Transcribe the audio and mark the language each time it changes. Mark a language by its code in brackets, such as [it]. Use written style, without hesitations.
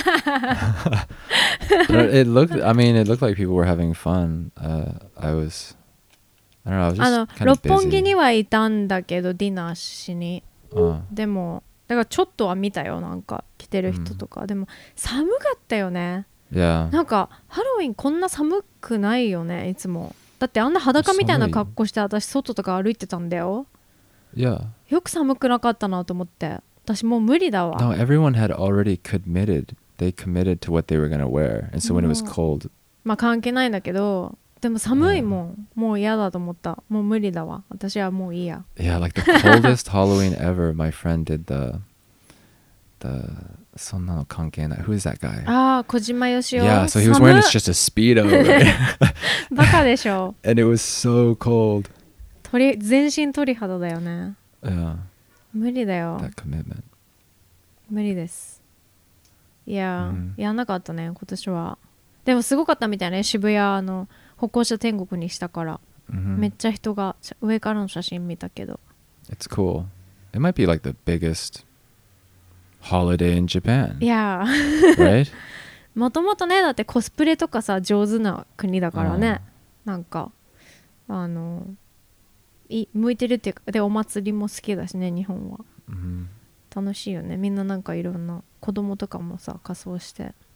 [en] But it looked, I mean, it looked like people were having fun. I don't know, I was just kind of busy. [ja] 六本木にはいたんだけど、ディナーしに。でも、だからちょっとは見たよ、なんか来てる人とか。でも、寒かったよね。 [en] Yeah. [ja] なんか、ハロウィンこんな寒くないよね、いつも。だってあんな裸みたいな格好して、私外とか歩いてたんだよ。 [en] Yeah. [ja] よく寒くなかったなと思って。私もう無理だわ。 [en] No, everyone had already committed. They committed to what they were gonna wear. And so when it was cold... [ja] まあ関係ないんだけど、でも寒いもん。もう嫌だと思った。もう無理だわ。私はもういいや。 [en] Yeah, like the coldest Halloween ever, my friend did the... [ja] そんなの関係ない。 [en] Who is that guy? [ja] ああ、小島よしお。 [en] Yeah, so he was wearing just a speedo. [ja] バカでしょ。 [en] And it was so cold. [ja] 全身鳥肌だよね。 [en] Yeah. [ja] 無理だよ。 [en] That commitment. [ja] 無理です。いや、やんなかったね、今年は。でもすごかったみたいね、渋谷の。歩行者天国にしたから、mm-hmm. めっちゃ人が上からの写真見たけど [en] It's cool. It might be like the biggest holiday in Japan. Yeah. Right? [ja] もともとね、だってコスプレとかさ上手な国だからね、なんかあの向いてるっていうか、でお祭りも好きだしね、日本は、 mm-hmm. 楽しいよね、みんななんかいろんな子供とかもさ仮装して